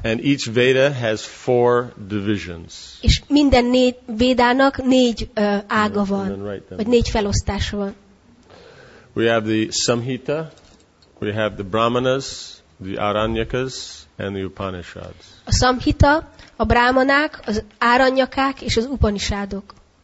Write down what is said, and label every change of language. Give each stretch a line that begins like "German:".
English: And each Veda has four divisions.
Hungarian: És minden négy Védának négy ága van, vagy négy felosztása van.
English: We have the Samhita, we have the Brahmanas, the Aranyakas, and the Upanishads.
Hungarian: A Samhita, a Brahmanák, az Aranyakák és az Upanishadok.